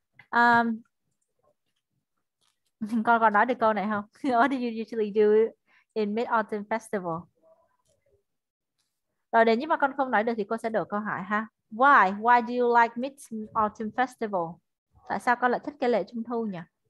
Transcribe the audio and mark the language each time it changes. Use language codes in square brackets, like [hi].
[vi] Con có nói được câu này không? [en] What do you usually do in Mid-Autumn Festival? [vi] Rồi đến nhưng mà con không nói được thì cô sẽ đổi câu hỏi ha. [en] Why? Why do you like Mid-Autumn Festival? [vi] Tại sao con lại thích cái lễ Trung Thu nhỉ?